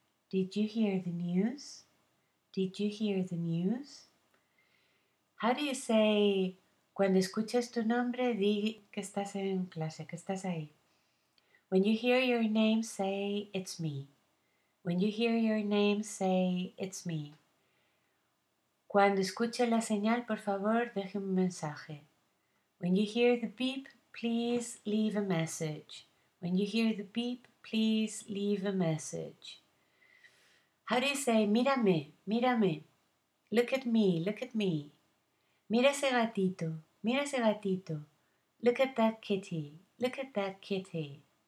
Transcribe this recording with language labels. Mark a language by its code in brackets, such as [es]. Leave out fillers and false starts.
[en] Did you hear the news? Did you hear the news? How do you say, [es] cuando escuchas tu nombre, di que estás en clase, que estás ahí? [en] When you hear your name, say, it's me. When you hear your name, say, it's me. [es] Cuando escuche la señal, por favor, deje un mensaje. [en] When you hear the beep, please leave a message. When you hear the beep, please leave a message. How do you say, [es] mírame, mírame? [en] Look at me, look at me. [es] Mira ese gatito, mira ese gatito. [en] Look at that kitty, look at that kitty.